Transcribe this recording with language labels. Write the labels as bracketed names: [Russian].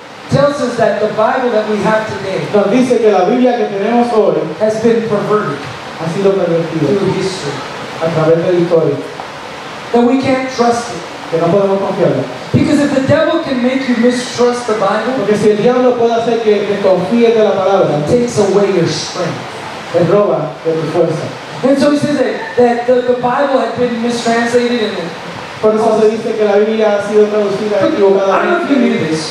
[English] Tells us that the Bible that we have today. [Spanish] Nos dice que la Biblia que tenemos hoy. [English] Has been perverted. [Spanish] Ha sido pervertido. [English] Through history. [Spanish] A través de la historia. [English] That we can't trust it. [Spanish] Que no podemos confiarlo. [English] Because if the devil can make you mistrust the Bible, [Spanish] porque si el diablo puede hacer que te confíes de la palabra, [English] it takes away your strength. [Spanish] Te roba de tu fuerza. [English] And so he says that the Bible had been mistranslated in it. [Spanish] Por eso se dice que la Biblia ha sido traducida equivocadamente.